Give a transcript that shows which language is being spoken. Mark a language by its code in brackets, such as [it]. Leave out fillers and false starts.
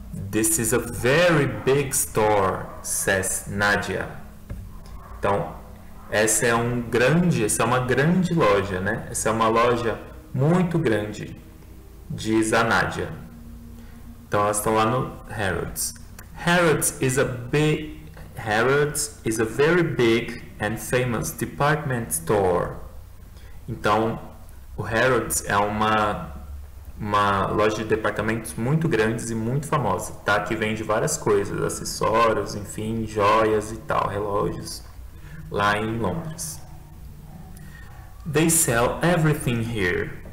[en] This is a very big store, says Nadia. [pt] Então, essa é um grande, essa é uma grande loja, né? Essa é uma loja muito grande, diz a Nadia. Então, elas estão lá no Harrods. [en] Harrods is a very big and famous department store. [pt] Então, o Harrods é uma loja de departamentos muito grande e muito famosa, tá? Que vende várias coisas, acessórios, enfim, joias e tal, relógios. Lá em Londres. [en] They sell everything here.